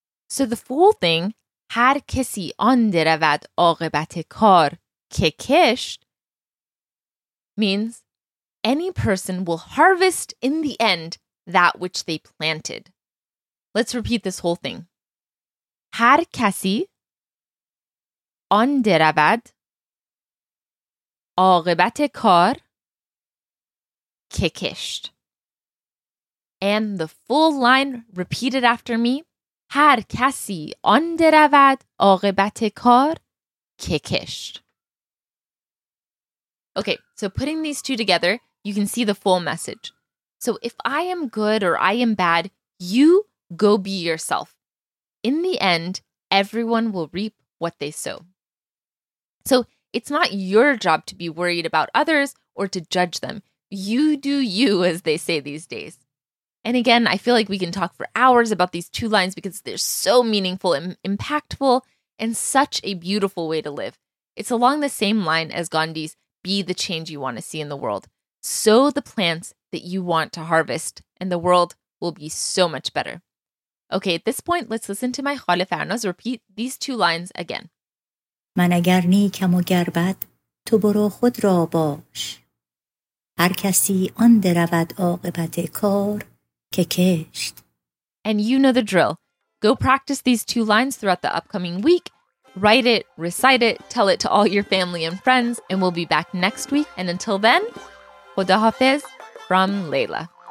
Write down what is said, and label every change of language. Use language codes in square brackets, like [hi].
[en] So the full thing, [fa] har kisi on deravad aqibat kar ke kisht, [en] means any person will harvest in the end that which they planted. Let's repeat this whole thing. [fa] هر کسی آن درود عاقبت کار که کشت. [en] And the full line repeated after me. [fa] هر کسی آن درود عاقبت کار که کشت. [en] Okay, so putting these two together, you can see the full message. So if I am good or I am bad, you go be yourself. In the end, everyone will reap what they sow. So it's not your job to be worried about others or to judge them. You do you, as they say these days. And again, I feel like we can talk for hours about these two lines because they're so meaningful and impactful and such a beautiful way to live. It's along the same line as Gandhi's be the change you want to see in the world. Sow the plants that you want to harvest and the world will be so much better. Okay, at this point, let's listen to my خالفرناز repeat these two lines again. [fa] من اگر نیکم و گر بد تو برو خود را باش هر کسی آن درود عاقبت کار که کشت. [en] And you know the drill. Go practice these two lines throughout the upcoming week. Write it, recite it, tell it to all your family and friends, and we'll be back next week. And until then, خداحافظ from Leila.